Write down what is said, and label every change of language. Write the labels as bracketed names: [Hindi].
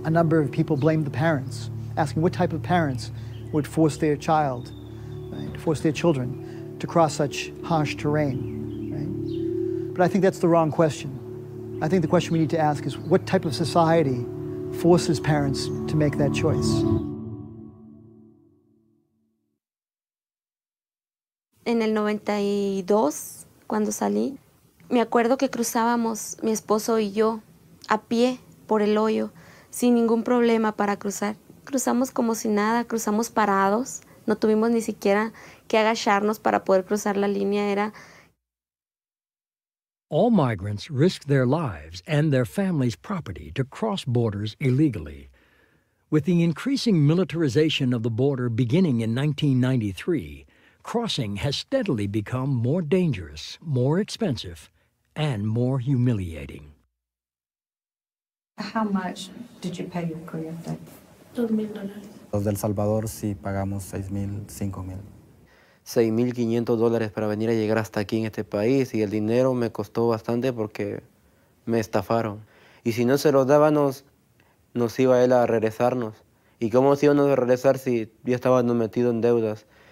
[English] A number of people blamed the parents, asking what type of parents would force their child, right, force their children to cross such harsh terrain. But I think that's the wrong question. I think the question we need to ask is, what type of society forces parents to make that choice? [Spanish] En el 92, cuando salí, me acuerdo que cruzábamos, mi esposo y yo, a pie por el hoyo, sin ningún problema para cruzar. Cruzamos como si nada, cruzamos parados, no tuvimos ni siquiera que agacharnos para poder cruzar la línea, era... [English] All migrants risk their lives and their families' property to cross borders illegally. With the increasing militarization of the border beginning in 1993, crossing has steadily become more dangerous, more expensive, and more humiliating. How much did you pay your career debt? [Spanish] $2,000. Los del Salvador sí pagamos $6,000, $5,000. $6,500 para venir a llegar hasta aquí en este país, y el dinero me costó bastante porque me estafaron. Y si no se los dábamos, nos iba él a regresarnos. ¿Y cómo se iban a regresar si ya estábamos metidos en deudas?